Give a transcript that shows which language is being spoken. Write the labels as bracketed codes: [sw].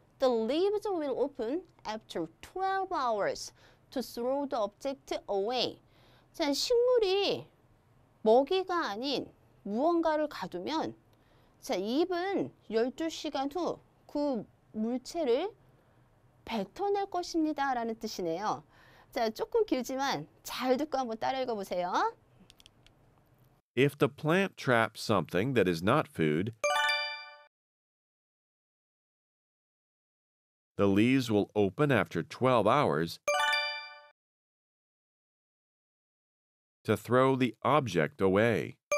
[en] The leaves will open after 12 hours to throw the object away. [ko] 자, 식물이 먹이가 아닌 무언가를 가두면 자, 잎은 12시간 후 그 물체를 뱉어낼 것입니다. 라는 뜻이네요. 자, 조금 길지만 잘 듣고 한번 따라 읽어보세요. [en] If the plant traps something that is not food, the leaves will open after 12 hours to throw the object away.